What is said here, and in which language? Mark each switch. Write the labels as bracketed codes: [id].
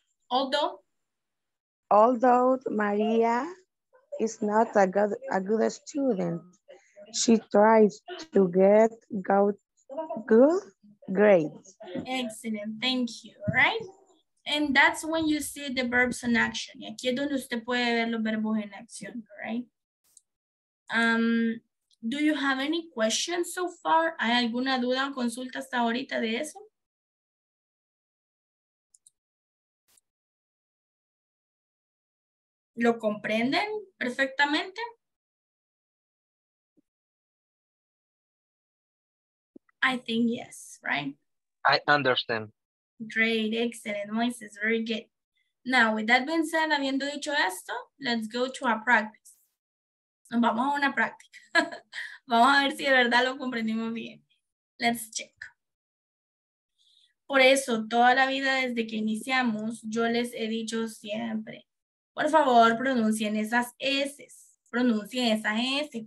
[en] Although Maria is not a good student, she tries to get good grades. Excellent, thank you. Right? And that's when you see the verbs in action. [es] Y aquí es donde usted puede ver los verbos en acción, right? [en] Do you have any questions so far? [es] ¿Hay alguna duda o consulta hasta ahorita de eso? ¿Lo comprenden perfectamente? [en] I think yes, right? I understand. Great, excellent, Moises, very good. Now, with that being said, [es] habiendo dicho esto, [en] let's go to our practice. [es] Nos vamos a una práctica. Vamos a ver si de verdad lo comprendimos bien. [en] Let's check. [es] Por eso, toda la vida desde que iniciamos, yo les he dicho siempre, por favor, pronuncien esas S. Pronuncien esas S.